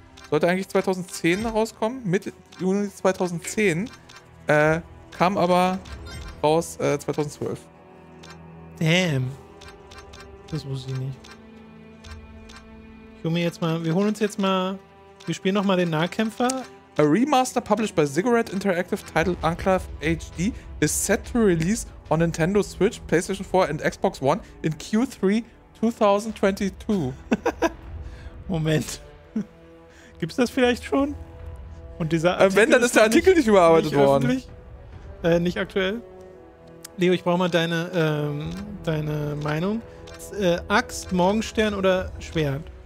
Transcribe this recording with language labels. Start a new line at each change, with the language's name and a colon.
German: Sollte eigentlich 2010 rauskommen. Mitte Juni 2010. Kam aber raus 2012. Damn. Das wusste ich nicht. Ich hole mir jetzt mal. Wir holen uns jetzt mal. Wir spielen nochmal den Nahkämpfer.
English: A remaster published by Ziggurat Interactive titled Enclave HD is set to release on Nintendo Switch, PlayStation 4 and Xbox One in Q3 2022.
German: Moment. Gibt's das vielleicht schon? Und dieser Artikel wenn, dann ist der Artikel nicht überarbeitet nicht worden. Nicht aktuell. Leo, ich brauche mal deine, deine Meinung. Axt, Morgenstern oder Schwert?